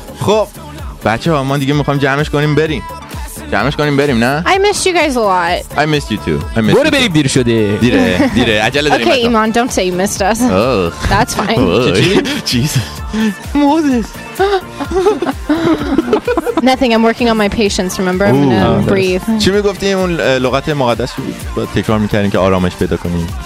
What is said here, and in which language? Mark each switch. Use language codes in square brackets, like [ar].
[fa] خب بچه ها ما دیگه میخوایم جمعش کنیم بریم، جمعش کنیم بریم. نه [en] I missed you guys a lot. I missed you too. I missed [fa] برو بریم. دیر شده، دیره عجله داریم. [en] Okay Iman, don't say you missed us. That's fine. Jesus Moses. Nothing, I'm working on my patience, remember? I'm gonna breathe. [fa] چی میگفتیم اون لغت مقدس رو تکرار میکردیم که آرامش پیدا کنیم؟